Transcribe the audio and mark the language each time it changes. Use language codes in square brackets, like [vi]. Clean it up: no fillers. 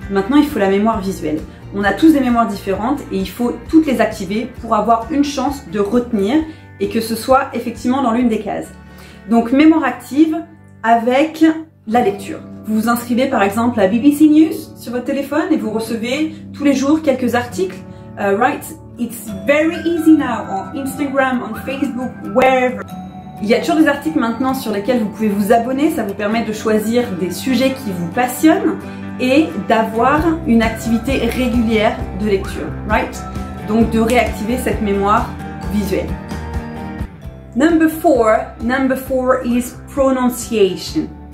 [fr] Maintenant, il faut la mémoire visuelle. On a tous des mémoires différentes et il faut toutes les activer pour avoir une chance de retenir et que ce soit effectivement dans l'une des cases. Donc, mémoire active avec la lecture. Vous vous inscrivez par exemple à BBC News sur votre téléphone et vous recevez tous les jours quelques articles. [en] Right? It's very easy now on Instagram, on Facebook, wherever. [fr] Il y a toujours des articles maintenant sur lesquels vous pouvez vous abonner. Ça vous permet de choisir des sujets qui vous passionnent et d'avoir une activité régulière de lecture. [en] Right? [fr] Donc de réactiver cette mémoire visuelle. [en] Number four is pronunciation.